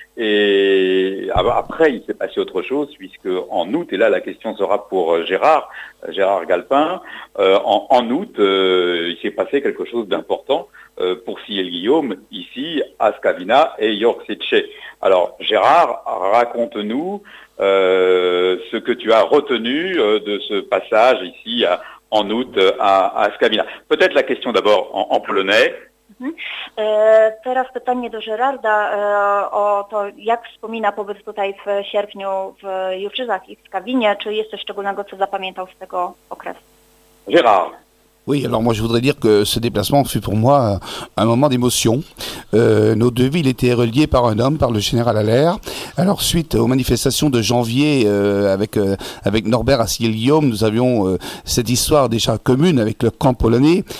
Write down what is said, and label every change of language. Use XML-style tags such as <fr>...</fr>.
<fr>Et après, il s'est passé autre chose, puisque en août, et là, la question sera pour Gérard Galpin, en août, il s'est passé quelque chose d'important pour Ciel Guillaume, ici, à Skavina et Jorczycze. Alors, Gérard, raconte-nous ce que tu as retenu de ce passage ici à en août à Skavina. Peut-être la question d'abord en polonais.</fr> <pl>Teraz pytanie do Gerarda o to, jak wspomina pobyt tutaj w sierpniu w Jurczyzach i w Skawinie, czy jest coś szczególnego, co zapamiętał z tego okresu?</pl> <fr>Gérard. Oui, alors moi je voudrais dire que ce déplacement fut pour moi un moment d'émotion. Nos deux villes étaient reliées par un homme, par le général Haller. Alors suite aux manifestations de janvier avec Norbert à Ciel-Guillaume, nous avions cette histoire déjà commune avec le camp polonais.</fr>